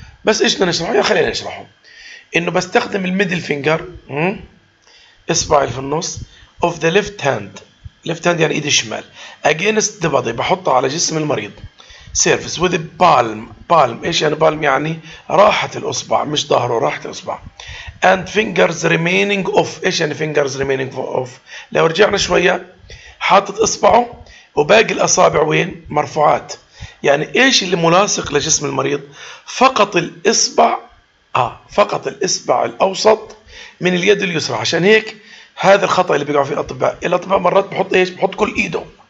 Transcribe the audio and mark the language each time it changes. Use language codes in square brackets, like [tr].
[ar] بس إيش نشرحه؟ خلينا نشرحه. إنه بستخدم الميدل فينجر، إصبعي في النص [en] of the left hand، left hand [ar] يعني إيدي الشمال، [en] against the body، [ar] بحطه على جسم المريض [en] surface with the palm. [ar] palm إيش يعني palm؟ يعني راحة الأصبع، مش ظهره، راحة الأصبع. [en] and fingers remaining off. [ar] إيش يعني [en] fingers remaining off؟ [ar] لو رجعنا شوية، حاطط إصبعه وباقي الأصابع وين؟ مرفوعات. يعني إيش اللي ملاصق لجسم المريض؟ فقط الإصبع، فقط الإصبع الأوسط من اليد اليسرى. عشان هيك هذا الخطأ اللي بيقعوا فيه الأطباء. الأطباء مرات بحط إيش؟ بحط كل إيده.